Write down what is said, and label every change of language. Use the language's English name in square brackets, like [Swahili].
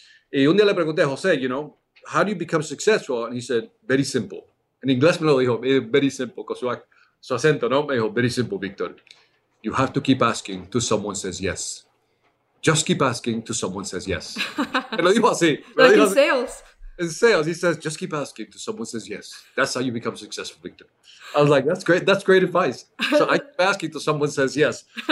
[Spanish] Y un día le pregunté a José, [English] you know, how do you become successful? And he said, very simple. [Spanish] En inglés me lo dijo, [English] very simple, [Spanish] con su acento, ¿no? Me dijo, [English] very simple, [Spanish] Víctor. [English] You have to keep asking till someone says yes. Just keep asking till someone says yes. [Spanish] Me lo dijo así. [English] In sales, he says, just keep asking till someone says yes. That's how you become successful, Victor. I was like, that's great. That's great advice. So I keep asking till someone says yes.